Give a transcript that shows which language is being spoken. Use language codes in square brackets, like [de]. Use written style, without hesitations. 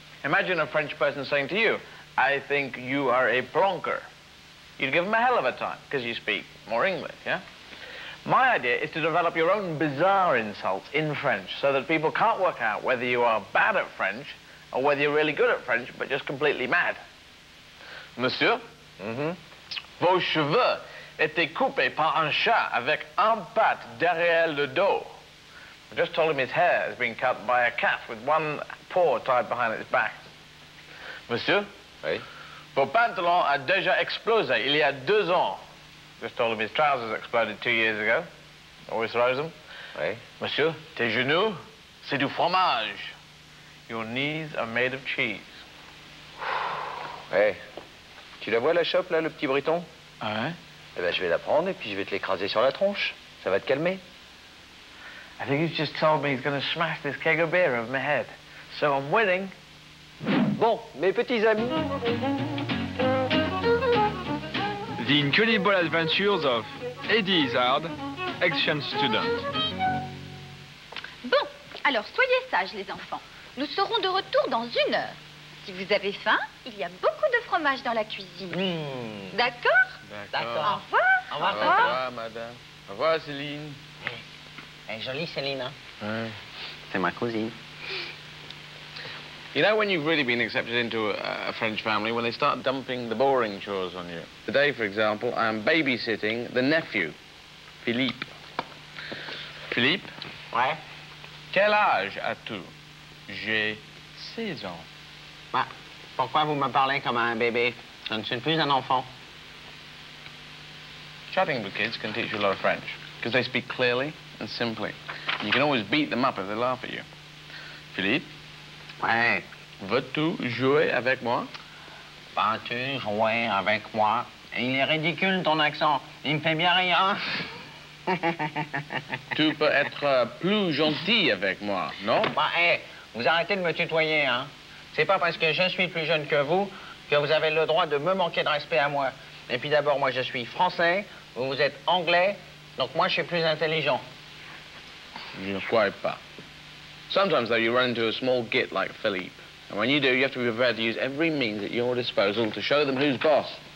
[en] Imagine a French person saying to you, I think you are a plonker. You'd give them a hell of a time because you speak more English, yeah? My idea is to develop your own bizarre insults in French so that people can't work out whether you are bad at French or whether you're really good at French, but just completely mad. [fr] Monsieur, vos cheveux étaient coupés par un chat avec un patte derrière le dos. [en] I just told him his hair has been cut by a cat with one paw tied behind its back. [fr] Monsieur, oui. Vos pantalons ont déjà explosé il y a 2 ans. [en] Just told him his trousers exploded 2 years ago. Always throws them. [fr] Oui. Monsieur, tes genoux, c'est du fromage. [en] Your knees are made of cheese. [fr] Hey, tu la vois la chope, là, le petit Briton? Ah ouais? Eh bien, je vais la prendre et puis je vais te l'écraser sur la tronche. Ça va te calmer. [en] I think he's just told me he's going to smash this keg of beer over my head. So I'm winning. [fr] Bon, mes petits amis... [en] The Incredible Adventures of Eddie Izzard, Exchange Student. [fr] Bon, alors soyez sages, les enfants. Nous serons de retour dans 1 heure. Si vous avez faim, il y a beaucoup de fromage dans la cuisine. Mmh. D'accord? D'accord. Au revoir. Au revoir. Au revoir. Au revoir, madame. Au revoir, Céline. Elle est jolie, Céline, hein? Ouais. C'est ma cousine. [en] You know when you've really been accepted into a French family, when they start dumping the boring chores on you. Today, for example, I am babysitting the nephew, Philippe. Philippe? [fr] Ouais. Quel âge as-tu? J'ai 16 ans. Bah, pourquoi vous me parlez comme un bébé? Je ne suis plus un enfant. [en] Chatting with kids can teach you a lot of French, because they speak clearly and simply. You can always beat them up if they laugh at you. [fr] Philippe? Ouais. Veux-tu jouer avec moi? Vas-tu jouer avec moi? Il est ridicule ton accent. Il me fait bien rire. Tu peux être plus gentil avec moi, non? Bah, hé, vous arrêtez de me tutoyer, hein? C'est pas parce que je suis plus jeune que vous que vous avez le droit de me manquer de respect à moi. Et puis d'abord, moi je suis français, vous êtes anglais, donc moi je suis plus intelligent. Je ne crois pas. [en] Sometimes, though, you run into a small git like Philippe. And when you do, you have to be prepared to use every means at your disposal to show them who's boss.